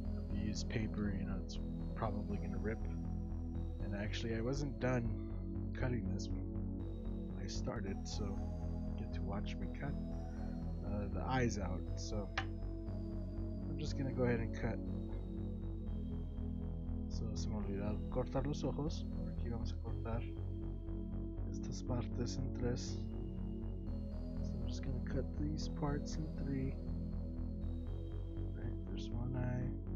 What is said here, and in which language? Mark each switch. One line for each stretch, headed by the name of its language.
English: If you use paper, you know, it's probably going to rip. And actually, I wasn't done cutting this one. Started, so get to watch me cut the eyes out. So I'm just gonna go ahead and cut.
Spanish: So se me olvidó cortar los ojos. Aquí vamos a cortar estas partes en tres.
English: So I'm just gonna cut these parts in three. Right, there's one eye.